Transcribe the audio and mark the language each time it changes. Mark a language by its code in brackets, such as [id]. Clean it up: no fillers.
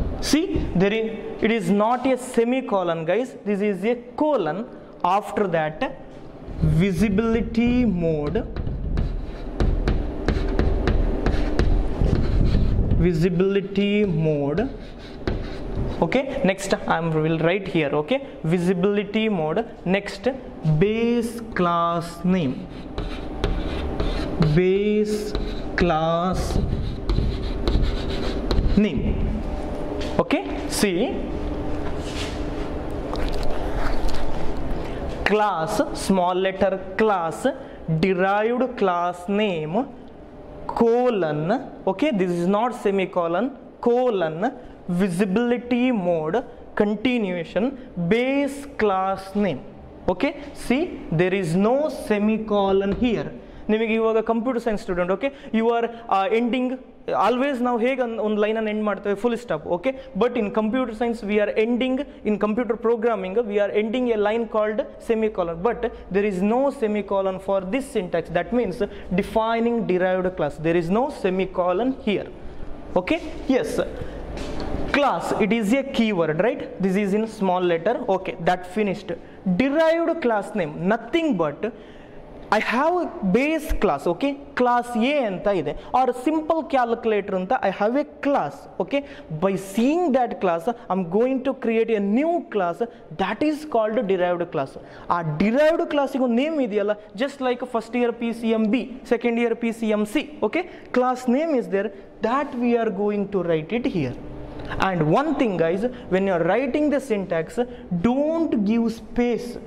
[en] See there it is not a semicolon guys, this is a colon. After that visibility mode, visibility mode. Okay, next I will write here. Okay, visibility mode. Next, base class name. Base class name. Okay, see, class, small letter class, derived class name colon. Okay, this is not semicolon, colon, visibility mode, continuation, base class name. Okay, see, there is no semicolon here. [kn] ನಿಮಗೆ ಇವಾಗ computer science student, okay, [en] you are ending always, [kn] ನಾವು ಹೇಗೆ ಒಂದು ಲೈನನ್ನು end ಮಾಡ್ತೇವೆ, full stop. [en] Okay, but in computer science we are ending, in computer programming we are ending a line called semicolon, but there is no semicolon for this syntax. That means defining derived class, there is no semicolon here. Okay, yes, class it is a keyword, right, this is in small letter. Okay, that finished. Derived class name nothing but I have a base class. Okay, class A ಅಂತ ಇದೆ, or simple calculator ಅಂತ, I have a class. Okay, by seeing that class I am going to create a new class, that is called derived class. [kn] ಆ derived ಕ್ಲಾಸಿಗೂ name ಇದೆಯಲ್ಲ, [en] just like first year [kn] P C M B, second year P C M C. [en] Okay, class name is there, that we are going to write it here. And one thing guys, when you are writing the syntax, don't give space.